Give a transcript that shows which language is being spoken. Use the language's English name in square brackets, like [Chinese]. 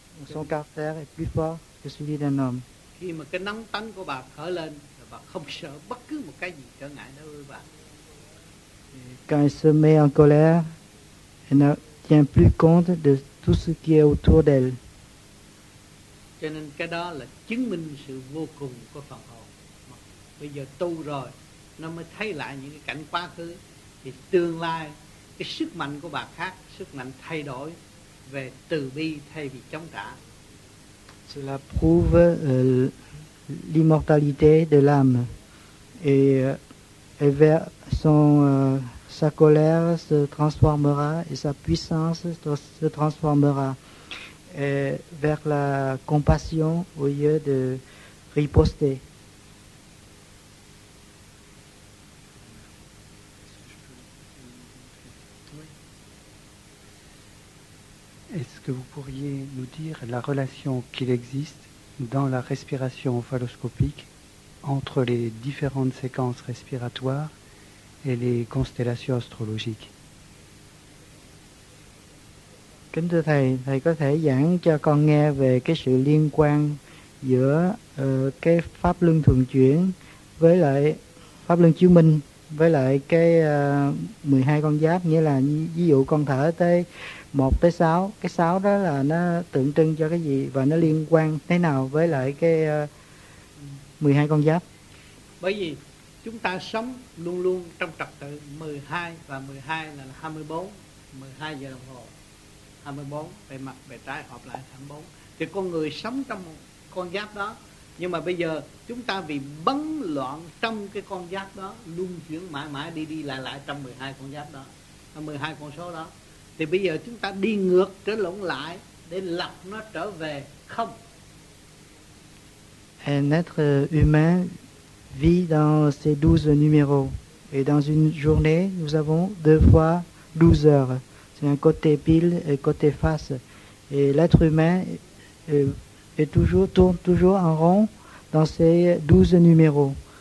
[French] Son caractère est plus fort que celui d'un homme. [Vietnamese] Khi mà cái nóng tánh của bà khởi lên, bà không sợ bất cứ một cái gì trở ngại đó với bà. [French] Quand elle se met en colère, elle ne tient plus compte de tout ce qui est autour d'elle. [Vietnamese] Cho nên cái đó là chứng minh sự vô cùng của phần hồn. Bây giờ tu rồi, nó mới thấy lại những cái cảnh quá khứ. Thì tương lai, cái sức mạnh của bà khác, sức mạnh thay đổi về từ bi thay vì chống trả. [French] Cela prouve l'immortalité de l'âme. Et vers sa colère se transformera et sa puissance se transformera et vers la compassion au lieu de riposter. Est-ce que vous pourriez nous dire la relation qu'il existe dans la respiration phalloscopique entre les différentes séquences respiratoires et les constellations astrologiques? [Vietnamese] Kính thưa thầy, thầy có thể giảng cho con nghe về cái sự liên quan giữa cái pháp luân thường chuyển với lại pháp luân chiếu minh với lại cái 12 con giáp, nghĩa là ví dụ con thở tới 1 tới 6, cái 6 đó là nó tượng trưng cho cái gì và nó liên quan thế nào với lại cái 12 con giáp? Bởi vì chúng ta sống luôn luôn trong trật tự 12 và 12 là 24, 12 giờ đồng hồ. 24, bề mặt bề trái hợp lại 24. Thì con người sống trong con giáp đó. Nhưng mà bây giờ chúng ta vì bấn loạn trong cái con giáp đó, luân chuyển mãi mãi đi đi lại lại trong 12 con giáp đó, 12 con số đó. Thì bây giờ chúng ta đi ngược trở lộn lại để lập nó trở về không. [French] Un être humain vit dans ces 12 numéros. Et dans une journée, nous avons 2 fois 12 heures. C'est un côté pile et côté face. Et l'être humain tourne toujours en rond dans ces 12 numéros.